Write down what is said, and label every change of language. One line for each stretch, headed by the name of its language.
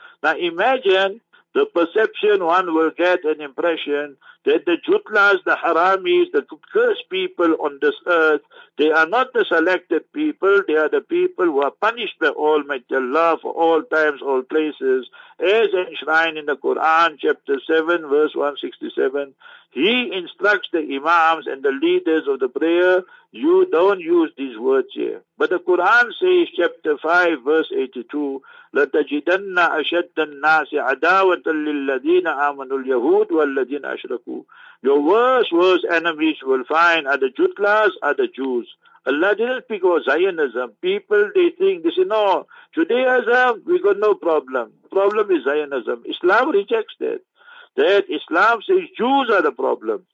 English: Now imagine the perception one will get an impression that the Jutlas, the Haramis, the cursed people on this earth, they are not the selected people, they are the people who are punished by Almighty Allah for all times, all places, as enshrined in the Quran, chapter 7, verse 167. He instructs the imams and the leaders of the prayer, you don't use these words here. But the Quran says, chapter 5, verse 82,
Arabic: لَتَجِدَنَّ أَشَدَّ النَّاسِ عَدَاوَةً لِلَّذِينَ آمَنُوا الْيَهُودُ وَالَّذِينَ أَشْرَكُوا.
English: Your worst enemies you will find are the Jutlas, are the Jews. Allah didn't speak of Zionism. People, they think, they say, no, Judaism, we got no problem. Problem is Zionism. Islam rejects that. That Islam says Jews are the problem.